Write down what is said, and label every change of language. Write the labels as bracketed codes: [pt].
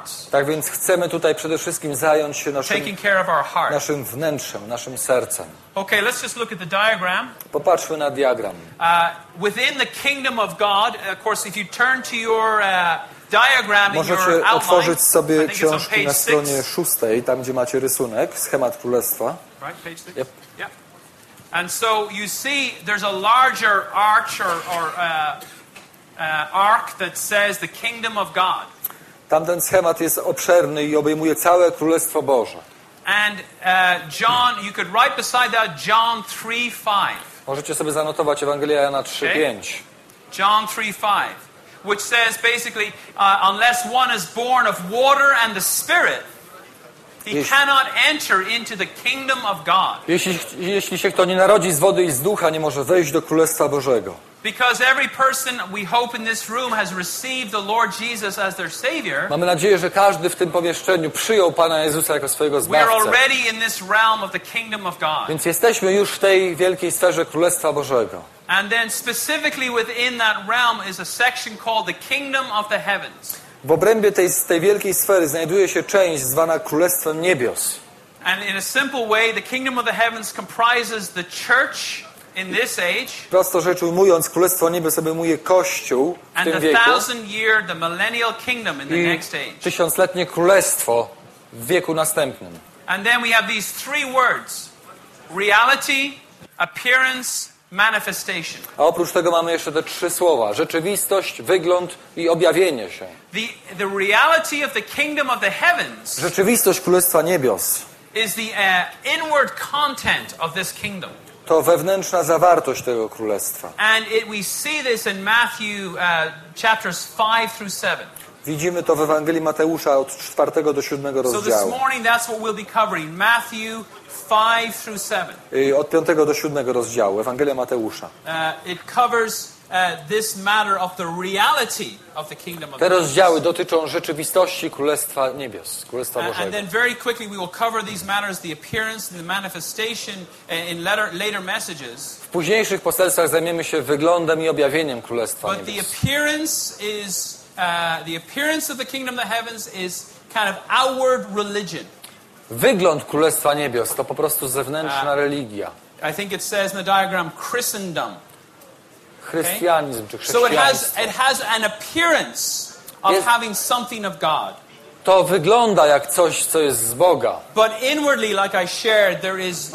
[pl] Tak więc chcemy tutaj przede wszystkim zająć się naszym wnętrzem, naszym sercem. [en] Okay, let's just look at the diagram. [pl] Popatrzmy na diagram. [en] Within the kingdom of God, of course, if you turn to your diagram, [pl] możecie [en] in your [pl] otworzyć [en] outline, [pl] sobie książki na stronie 6, tam gdzie macie rysunek, schemat królestwa. [en] Right, page 6. Yep. And so you see there's a larger arch or arc that says the kingdom of God. [pl] Tamten schemat jest obszerny i obejmuje całe Królestwo Boże. [en] And John, you could write beside that John 3:5. [pl] Możecie sobie zanotować Ewangelia Jana 3:5. [en] John 3:5, which says basically unless one is born of water and the Spirit, he cannot enter into the kingdom of God. [pl] Jeśli się kto nie narodzi z wody i z ducha, nie może wejść do Królestwa Bożego. [en] Because every person we hope in this room has received the Lord Jesus as their savior. [pl] Mamy nadzieję, że każdy w tym pomieszczeniu przyjął Pana Jezusa jako swojego Zbawcę. [en] We are already in this realm of the kingdom of God. [pl] Więc jesteśmy już w tej wielkiej sferze Królestwa Bożego. [en] And then specifically within that realm is a section called the kingdom of the heavens. [pl] W obrębie tej wielkiej sfery znajduje się część zwana Królestwem Niebios. [en] And in a simple way, the kingdom of the heavens comprises the church in this age. [pl] Prosto rzecz ujmując, Królestwo Niebios obejmuje Kościół w tym wieku. [en] And the thousand year, the millennial kingdom in the next age. [pl] I tysiącletnie królestwo w wieku następnym. [en] And then we have these three words: reality, appearance, manifestation. [pl] A oprócz tego mamy jeszcze te trzy słowa: rzeczywistość, wygląd i objawienie się. [en] The reality of the kingdom of the heavens. [pl] Rzeczywistość Królestwa Niebios. [en] Is the inward content of this kingdom. [pl] to wewnętrzna zawartość tego królestwa. [en] And it, we see this in Matthew chapters 5 through 7. [pl] Widzimy to w Ewangelii Mateusza od 4 do 7 rozdziału. [en] So this morning that's what we'll be covering, Matthew 5 through 7. [pl] I od 5 do 7 rozdziału Ewangelia Mateusza. [en] It covers this matter of the reality of the kingdom of God. [pl] Te rozdziały dotyczą rzeczywistości Królestwa Niebios, Królestwa Bożego. [en] And then very quickly we will cover these matters, the appearance and the manifestation in later messages. [pl] W późniejszych poselstwach zajmiemy się wyglądem i objawieniem Królestwa Niebios. [en] But the appearance is the appearance of the kingdom of the heavens is kind of outward religion. [pl] Wygląd Królestwa Niebios to po prostu zewnętrzna religia. [en] I think it says in the diagram Christendom. [pl] Chrystianizm, okay? Czy [en] chrześcijaństwo. So it has an appearance of jest, having something of God. [pl] To wygląda jak coś, co jest z Boga. [en] But inwardly, like I shared, there is